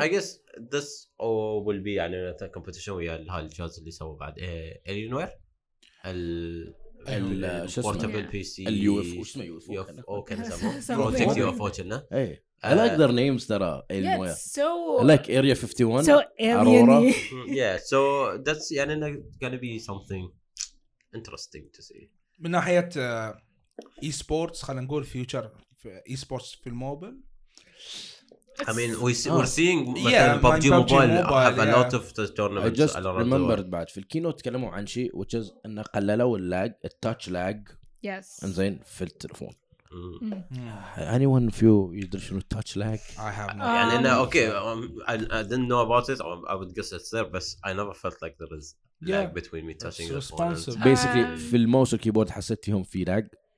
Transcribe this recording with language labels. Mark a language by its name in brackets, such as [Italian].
[English] I guess this will be [Arabic] يعني مثلا competition ويا هالجهاز اللي سووا بعد Alienware ال portable PC [English] UFO [Arabic] اسمه Project UFO كنا [English] I like their names [Arabic] ترى [English] Alienware so I like Area 51 so Aurora so that's يعني gonna be something interesting to see [Arabic] من ناحية e-sports خلنا نقول future e-sports في الموبايل [English] I mean, we're seeing PUBG Mobile have a lot of the tournaments. I just remembered [Arabic] بعد في الكينو تكلموا عن شيء [English] which is [Arabic] أن قللوا اللاج, التاتش لاج. [English] Yes. [Arabic] إنزين في التلفون. [English] Anyone few [Arabic] يدري شنو التاتش لاج؟ [English] I have not. [Arabic] يعني أنا [English] okay, I didn't know about it. I would guess it's there, but I never felt like there is lag between me touching the phone. Basically, [Arabic] في الماوس والكيبورد حسيت فيهم في lag.